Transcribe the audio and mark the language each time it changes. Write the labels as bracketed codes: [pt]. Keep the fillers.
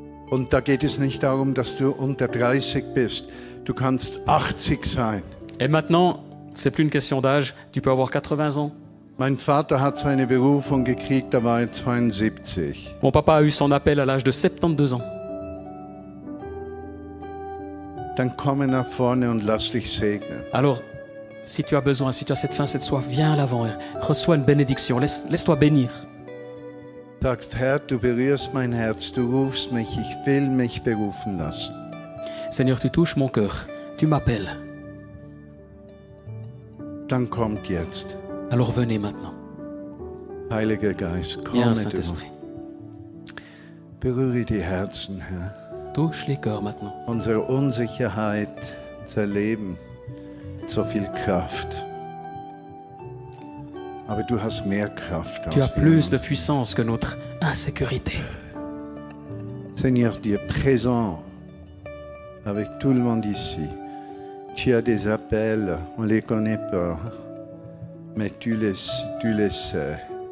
[de] und da geht es nicht darum, dass du unter 30 bist, du kannst 80 sein. [fr] Et maintenant, c'est plus une question d'âge, tu peux avoir 80 ans. [de] Mein Vater hat seine Berufung gekriegt, da war er 72. [fr] Mon papa a eu son appel à l'âge 72 ans. [de] Dann komme nach vorne und lass dich segnen. [fr] Alors, si tu as besoin, si tu as cette faim, cette soif, viens à l'avant, reçois une bénédiction, laisse-toi laisse bénir. [de] Sagst, Herr, du berührst mein Herz, du rufst mich, ich will mich berufen lassen. [fr] Seigneur, tu touches mon cœur, tu m'appelles. [de] Dann kommt jetzt. [fr] Alors venez maintenant. [de] Heiliger Geist, komme Berühre die Herzen, Herr. [fr] Touche les cœurs maintenant. [de] Unsere Unsicherheit zerleben. So viel Kraft. Mehr Kraft [fr] tu as plus de puissance que notre insécurité. Seigneur, Dieu présent avec tout le monde ici. Tu as des appels, on ne les connaît pas, mais tu les, tu, les sais, tu les sais.